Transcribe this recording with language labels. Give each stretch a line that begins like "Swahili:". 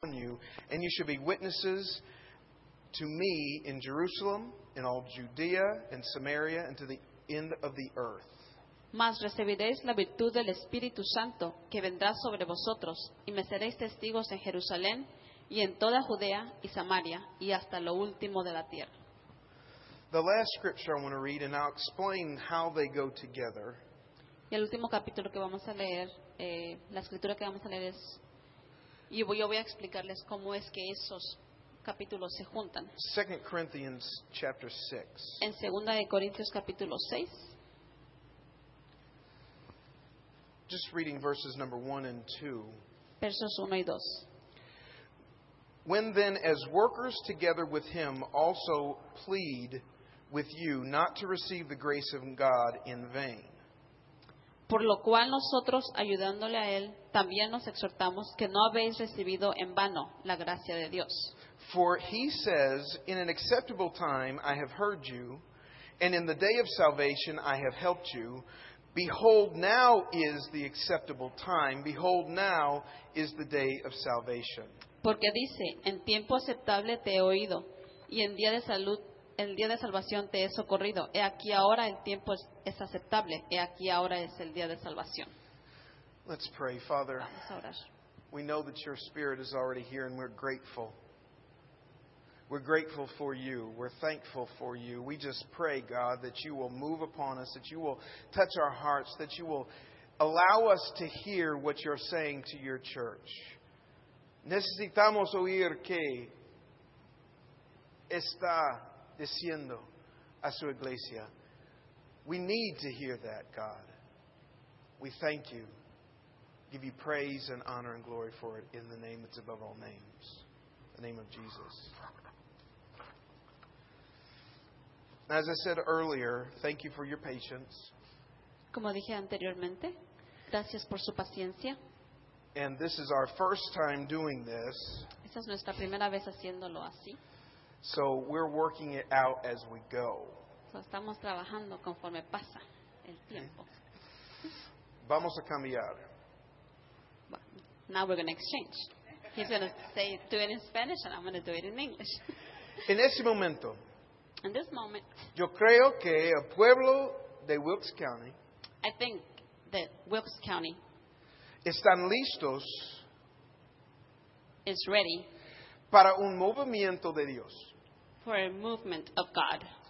English: And you should be witnesses to me in Jerusalem, in all Judea and Samaria, and to the end of the earth.
Spanish: Mas recibiréis la virtud del Espíritu Santo que vendrá sobre vosotros, y me seréis testigos en Jerusalén, y en toda Judea y Samaria, y hasta lo último de la tierra.
English: The last scripture I want to read, and I'll explain how they go together.
Spanish: Y el último capítulo que vamos a leer, la escritura que vamos a leer es, y yo voy a explicarles cómo es que esos capítulos se juntan.
English: 2 Corinthians chapter 6.
Spanish: En 2 de Corintios capítulo 6.
English: Just reading verses number 1 and 2.
Spanish: Versos 1 y 2.
English: When then, as workers together with him, also plead with you not to receive the grace of God in vain.
Spanish: Por lo cual nosotros, ayudándole a él, también nos exhortamos que no habéis recibido en vano la gracia de Dios.
English: For he says, in an acceptable time I have heard you, and in the day of salvation I have helped you. Behold, now is the acceptable time. Behold, now is the day of salvation.
Spanish: Porque dice, en tiempo aceptable te he oído, y en día de salud, el día de salvación te he socorrido. He aquí ahora el tiempo es aceptable. He aquí ahora es el día de salvación.
English: Let's pray, Father.
Spanish: Vamos a orar.
English: We know that your Spirit is already here, and we're grateful. We're grateful for you. We're thankful for you. We just pray, God, that you will move upon us, that you will touch our hearts, that you will allow us to hear what you're saying to your church.
Spanish: Necesitamos oír que está diciendo a su iglesia.
English: We need to hear that, God. We thank you. Give you praise and honor and glory for it in the name that's above all names. In the name of Jesus. As I said earlier, thank you for your patience.
Spanish: Como dije anteriormente, gracias por su paciencia.
English: And this is our first time doing this.
Spanish: Esta es nuestra primera vez haciéndolo así.
English: So we're working it out as we go.
Spanish: Estamos trabajando conforme pasa el tiempo. Vamos a cambiar.
English: Now we're going to exchange. He's going to say do it in Spanish and I'm going to do it in English.
Spanish: En ese momento.
English: In this moment.
Spanish: Yo creo que el pueblo de Wilkes County.
English: I think that Wilkes County.
Spanish: Están listos.
English: Is ready.
Spanish: Para un movimiento de Dios.
English: For a movement of God.